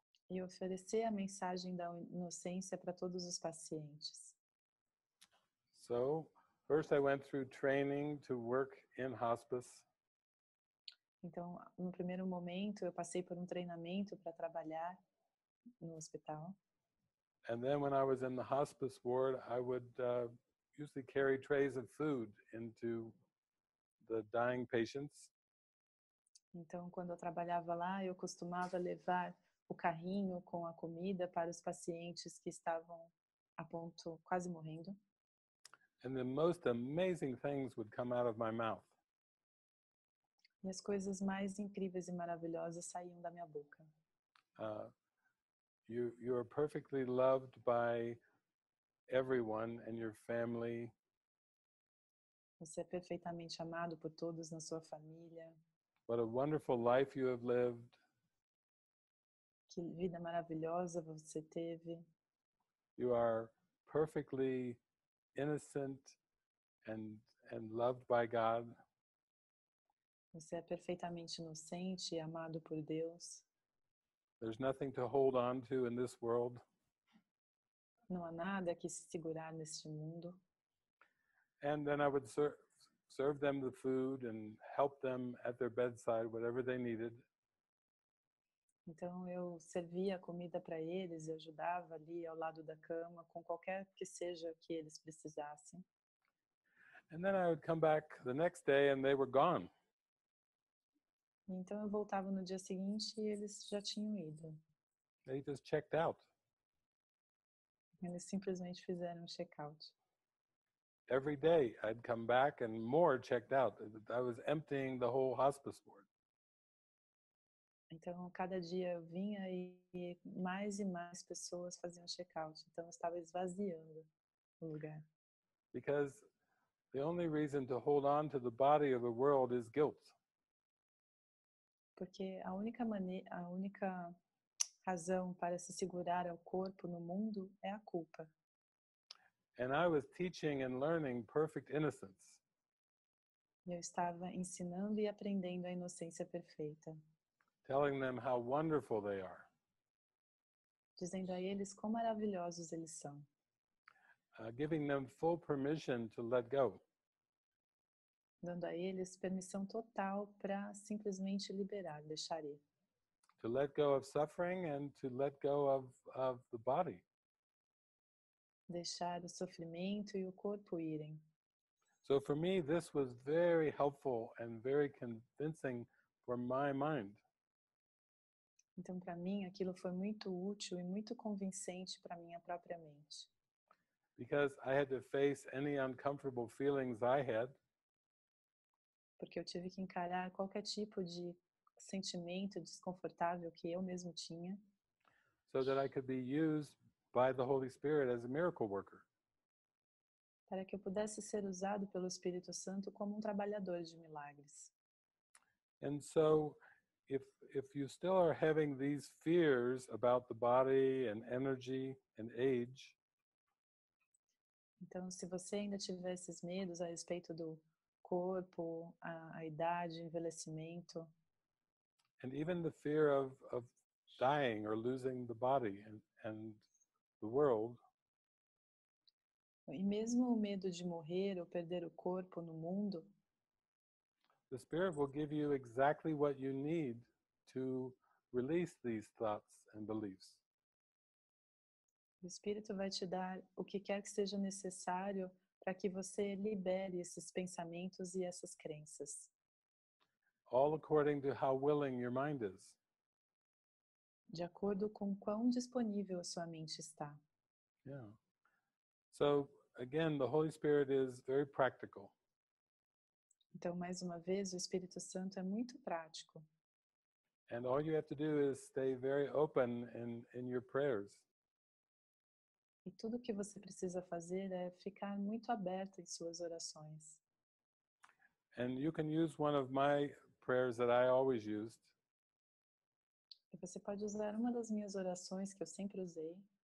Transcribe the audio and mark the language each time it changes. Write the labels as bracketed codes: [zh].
[pt] E oferecer a mensagem da inocência para todos os pacientes. [en] So, first I went through training to work in hospice. [pt] Então, no primeiro momento, eu passei por um treinamento para trabalhar no hospital. [en] And then when I was in the hospice ward, I would usually carry trays of food into the dying patients. [pt] Então, quando eu trabalhava lá, eu costumava levar o carrinho com a comida para os pacientes que estavam a ponto, quase morrendo. [en] And the most amazing things would come out of my mouth. [pt] E as coisas mais incríveis e maravilhosas saíam da minha boca. [en] You are perfectly loved by everyone and your family. [pt] Você é perfeitamente amado por todos na sua família. [en] What a wonderful life you have lived. [pt] Que vida maravilhosa você teve. [en] You are perfectly innocent and loved by God. [pt] Você é perfeitamente inocente e amado por Deus. [en] There's nothing to hold on to in this world. [pt] Não há nada que se segurar neste mundo. [en] And then I would serve them the food and help them at their bedside, whatever they needed. [pt] Então eu servia a comida para eles e ajudava ali ao lado da cama com qualquer que seja que eles precisassem. [en] And then I would come back the next day and they were gone. [pt] Então eu voltava no dia seguinte e eles já tinham ido. [en] They just checked out. [pt] Eles simplesmente fizeram um check-out. [en] Every day I'd come back and more checked out. I was emptying the whole hospice ward. [pt] Então cada dia eu vinha e mais pessoas faziam check-out. Então eu estava esvaziando o lugar. [en] Because the only reason to hold on to the body of the world is guilt. [pt] Porque a única razão para se segurar ao corpo no mundo é a culpa. [en] And I was teaching and learning perfect innocence. [pt] Eu estava ensinando e aprendendo a inocência perfeita. [en] Telling them how wonderful they are. [pt] Dizendo a eles quão maravilhosos eles são. [en] Giving them full permission to let go. [pt] Dando a eles permissão total para simplesmente liberar, deixar ir. [en] To let go of suffering and to let go of the body. [pt] Deixar o sofrimento e o corpo irem. [en] So for me, this was very helpful and very convincing for my mind. [pt] Então, para mim, aquilo foi muito útil e muito convincente para minha própria mente. [en] Because I had to face any uncomfortable feelings I had. [pt] Porque eu tive que encarar qualquer tipo de sentimento desconfortável que eu mesmo tinha. [en] So that I could be used by the Holy Spirit as a miracle worker. [pt] Para que eu pudesse ser usado pelo Espírito Santo como um trabalhador de milagres. [en] And so, if you still are having these fears about the body and energy and age. [pt] Então, se você ainda tiver esses medos a respeito do corpo, a idade, envelhecimento. [en] And even the fear of dying or losing the body and the world. [pt] E mesmo o medo de morrer ou perder o corpo no mundo. [en] The Spirit will give you exactly what you need to release these thoughts and beliefs. [pt] O Espírito vai te dar o que quer que seja necessário para que você libere esses pensamentos e essas crenças. [en] All according to how willing your mind is. [pt] De acordo com quão disponível a sua mente está. Yeah. [en] So, again, the Holy Spirit is very practical. [pt] Então, mais uma vez, o Espírito Santo é muito prático. [en] And all you have to do is stay very open in your prayers. [pt] E tudo o que você precisa fazer é ficar muito aberto em suas orações. [en] And you can use one of my prayers that I always used. [pt] E você pode usar uma das minhas orações que eu sempre usei.